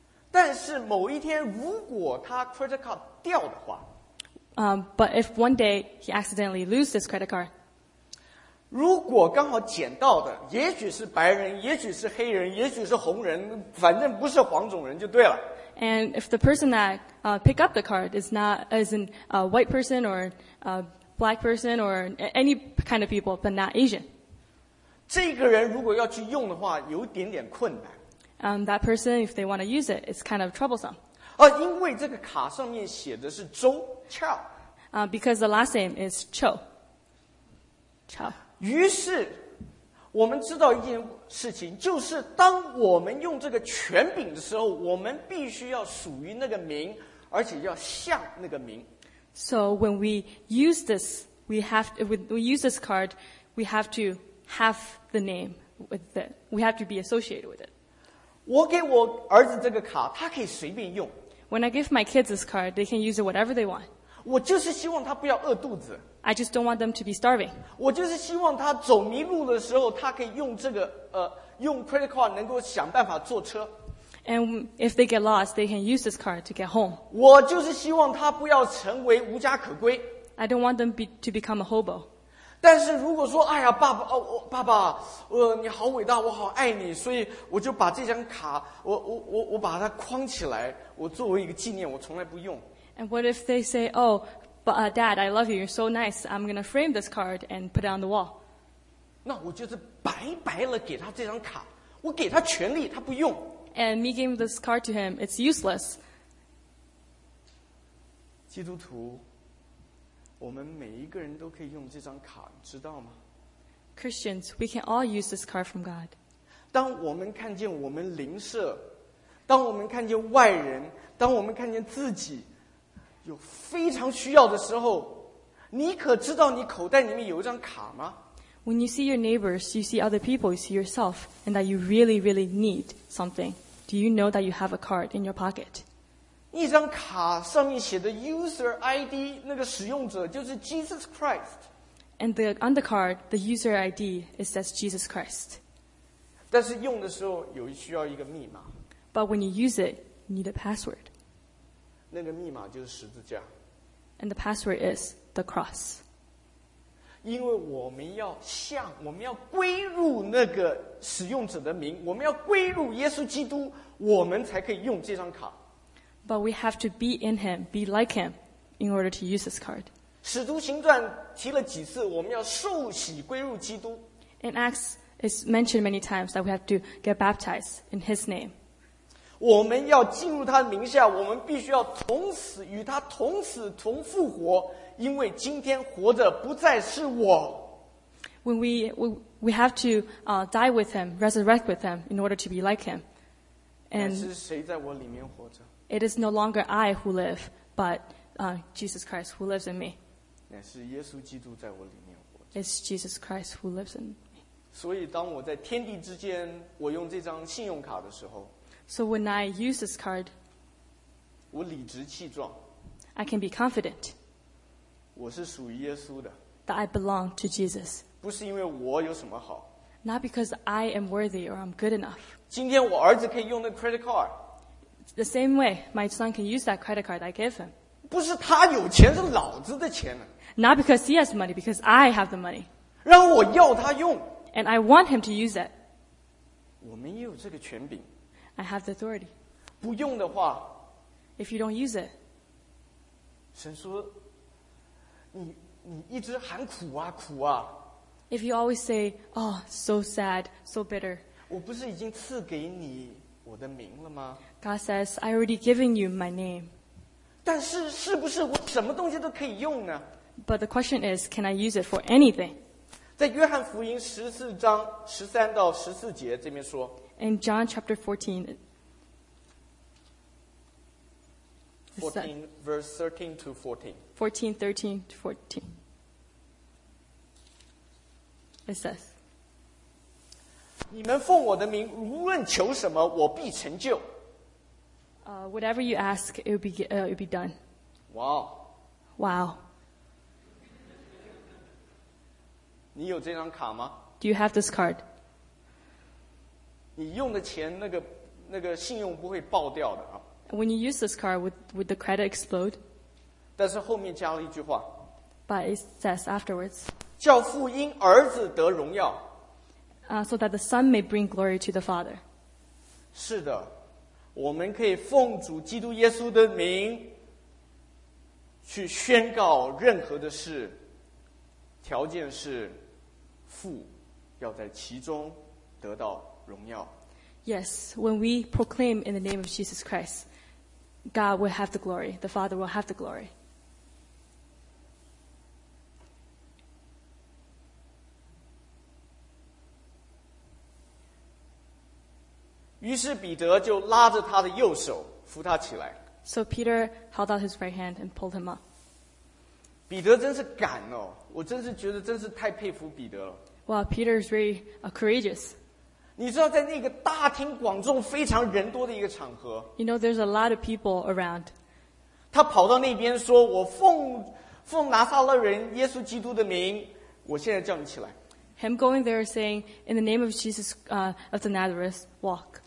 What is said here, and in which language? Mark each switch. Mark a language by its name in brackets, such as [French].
[Chinese] 但是某一天，如果他 credit card 掉的话。 [English] But if one day he accidentally loses this credit card, [Chinese] 如果刚好捡到的，也许是白人，也许是黑人，也许是红人，反正不是黄种人就对了。 [English] And if the person that pick up the card isn't a white person or a black person or any kind of people, but not Asian, [Chinese] 这个人如果要去用的话，有一点点困难。 [English] That person, if they want to use it, it's kind of troublesome. [Chinese] 因为这个卡上面写的是周。 [English] Chow. Because the last name is Cho. Chow. [Chinese] 于是我们知道一件事情，就是当我们用这个权柄的时候，我们必须要属于那个名，而且要像那个名。 [English] So when we use this, we have to have the name with it. We have to be associated with it. [Chinese] 我给我儿子这个卡，他可以随便用。 [English] When I give my kids this card, they can use it whatever they want. [Chinese] 我就是希望他不要饿肚子。 [English] I just don't want them to be starving. [Chinese] 我就是希望他走迷路的时候，他可以用这个用 credit card 能够想办法坐车。 [English] And if they get lost, they can use this card to get home. [Chinese] 我就是希望他不要成为无家可归。 [English] I don't want them to become a hobo. [Chinese] 但是如果说，哎呀，爸爸，爸爸，你好伟大，我好爱你，所以我就把这张卡，我把它框起来。我作为一个纪念，我从来不用。 [English] And what if they say, "Oh, but Dad, I love you. You're so nice. I'm gonna frame this card and put it on the wall." [Chinese] 那我就是白白了给他这张卡，我给他权利，他不用。 [English] And me giving this card to him, it's useless. [Chinese] 基督徒，我们每一个人都可以用这张卡，知道吗 [English] ？Christians, we can all use this card from God. [Chinese] 当我们看见我们邻舍。当我们看见外人，当我们看见自己有非常需要的时候，你可知道你口袋里面有一张卡吗 [English] ？When you see your neighbors, you see other people, you see yourself, and that you really, really need something. Do you know that you have a card in your pocket? [Chinese] 一张卡上面写的 user ID 那个使用者就是 Jesus Christ。 [English] And the on the card, the user ID is that Jesus Christ. [Chinese] 但是用的时候有需要一个密码。 [English] But when you use it, you need a password. [Chinese] 那个密码就是十字架。 [English] And the password is the cross. [Chinese] 因为我们要向，我们要归入那个使用者的名，我们要归入耶稣基督，我们才可以用这张卡。 [English] But we have to be in him, be like him, in order to use this card. [Chinese] 使徒行传提了几次，我们要受洗归入基督。 [English] In Acts, it's mentioned many times that we have to get baptized in his name. [Chinese] 我们要进入他的名下，我们必须要同死，与他同死同复活，因为今天活着不再是我。 [English] When we have to die with him, resurrect with him, in order to be like him. [Chinese] 但是谁在我里面活着？ [English] It is no longer I who live, but Jesus Christ who lives in me. [Chinese] 乃是耶稣基督在我里面活着。 [English] It's Jesus Christ who lives in me. [Chinese] 所以当我在天地之间，我用这张信用卡的时候 [English] ，So when I use this card, [Chinese] 我理直气壮。 [English] I can be confident. [Chinese] 我是属于耶稣的。 [English] That I belong to Jesus. [Chinese] 不是因为我有什么好。 [English] Not because I am worthy or I'm good enough. [Chinese] 今天我儿子可以用那 credit card。 [English] The same way, my son can use that credit card I gave him. [Chinese] 不是他有钱，是老子的钱。 [English] Not because he has money, because I have the money. [Chinese] 让我要他用。 [English] And I want him to use it. [Chinese] 我们也有这个权柄。 [English] I have the authority. [Chinese] 不用的话。 [English] If you don't use it. [Chinese] 神说，你一直喊苦啊，苦啊。 [English] If you always say, oh, so sad, so bitter. [Chinese] 我不是已经赐给你我的名了吗？ [English] God says, I already given you my name. [Chinese] 但是是不是我什么东西都可以用呢？ [English] But the question is, can I use it for anything? [Chinese] 在约翰福音十四章十三到十四节这边说。 [English] In John chapter 14. 14 verse 13 to 14. It says. [Chinese] 你们奉我的名无论求什么我必成就。 [English] Whatever you ask, it will be done. Wow. Wow. [Chinese] 你有这张卡吗？ [English] Do you have this card? [Chinese] 你用的钱那个信用不会爆掉的啊。 [English] When you use this card, would the credit explode? [Chinese] 但是后面加了一句话。 [English] But it says afterwards. [Chinese] 叫父因儿子得荣耀。 [English] So that the Son may bring glory to the Father. [Chinese] 是的，我们可以奉主基督耶稣的名去宣告任何的事，条件是父要在其中得到荣耀。 [English] Yes, when we proclaim in the name of Jesus Christ, God will have the glory, the Father will have the glory. [Chinese] 于是彼得就拉着他的右手扶他起来。 [English] So Peter held out his right hand and pulled him up. [Chinese] 彼得真是敢哦，我真是觉得真是太佩服彼得了。 [English] Wow, Peter is very courageous. [Chinese] 你知道在那个大庭广众非常人多的一个场合。 [English] You know, there's a lot of people around. [Chinese] 他跑到那边说，我奉拿撒勒人耶稣基督的名，我现在叫你起来。 [English] Him going there saying, in the name of Jesus, of the Nazareth, walk.